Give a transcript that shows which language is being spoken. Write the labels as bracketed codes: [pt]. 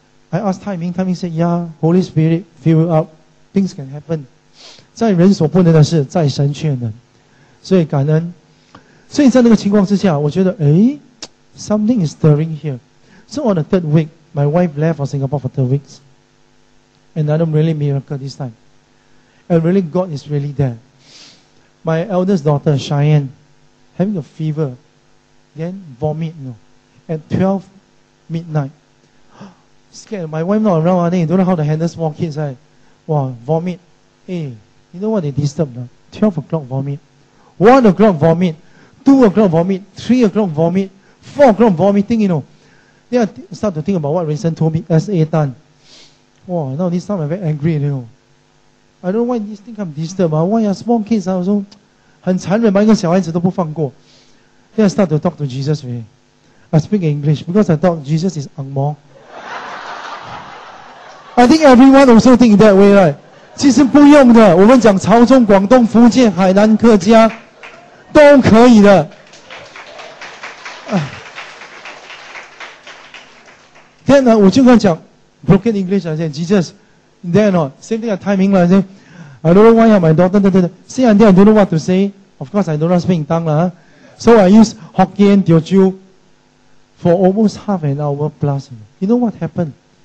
[en] I asked Taiming said, yeah, Holy Spirit, fill you up. Things can happen. [zh] 在人所不能的事, 在神却能. 所以感恩.所以在那个情况之下, 我觉得, [en] something is stirring here. So on the third week, my wife left for Singapore for 3 weeks. Another really miracle this time. And really, God is really there. My eldest daughter, Cheyenne, having a fever, then vomit, you know, at 12 midnight. Scared, my wife not around, don't know how to handle small kids. Right? Wow, vomit. You know what they disturb? No? 12 o'clock vomit. 1 o'clock vomit. 2 o'clock vomit. 3 o'clock vomit. 4 o'clock vomiting, you know. Then I start to think about what Rayson told me, Satan. Wow, now this time I'm very angry, you know. I don't know why this thing can disturb. Why are small kids also [zh] 很残忍, 一个小孩子都不放过. [en] Then I start to talk to Jesus. I speak English because I thought Jesus is Ang Mo. I think everyone also think that way, right? [zh] 其实不用的, 我们讲潮中, 广东, 福建, 海南, 客家, 都可以的. [en] Then [zh] 我就跟他讲, [en] broken English, I said, Jesus, then or same thing at timing, I said, I don't know why my daughter say until I don't know what to say. Of course, I don't know speak in tongue. So I use Hokkien, Teochew for almost half an hour plus. You know what happened?